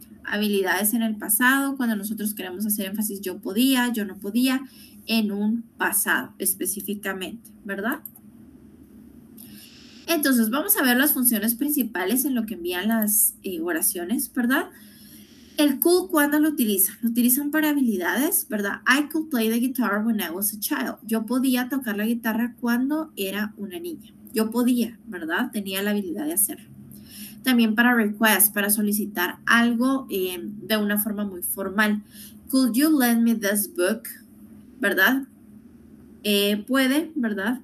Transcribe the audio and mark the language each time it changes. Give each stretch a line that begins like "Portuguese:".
Spanish: Habilidades en el pasado, cuando nosotros queremos hacer énfasis, yo podía, yo no podía, en un pasado específicamente, ¿verdad? Entonces, vamos a ver las funciones principales en lo que envían las oraciones, ¿verdad? El could, ¿cuándo lo utilizan? Lo utilizan para habilidades, ¿verdad?
English: I could play the guitar when I was a child.
Spanish: Yo podía tocar la guitarra cuando era una niña. Yo podía, ¿verdad? Tenía la habilidad de hacerlo. También para request, para solicitar algo de una forma muy formal.
English: Could you lend me this book?
Spanish: ¿Verdad? Puede, ¿verdad?